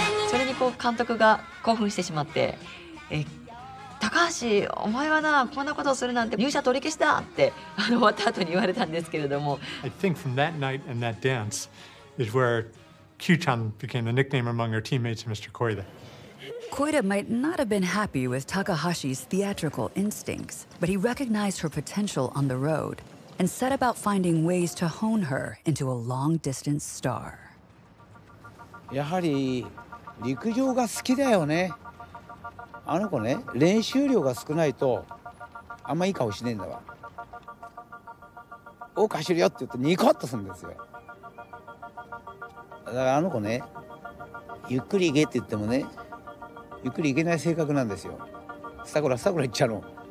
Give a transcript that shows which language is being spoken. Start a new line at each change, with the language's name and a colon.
Japanese: それにこう監督が興奮してしまって、高橋お前はな、こんなことをするなんて入社取り消しだって終わった後に言われたんですけれども、
English: I think from that night and that dance is where Q-chan became the nickname among her teammates Mr. Koide. Koide might not have been happy with Takahashi's theatrical instincts, but he recognized her potential on the road and set about finding ways to hone her into a long distance star.
Japanese: やはり陸上が好きだよね。あの子ね、練習量が少ないとあんまいい顔しねえんだわ。多く走るよって言うとニコッとするんですよ。だからあの子ね、ゆっくり行けって言ってもね、ゆっくり行けない性格なんですよ。スタコラスタコラ行っちゃうの。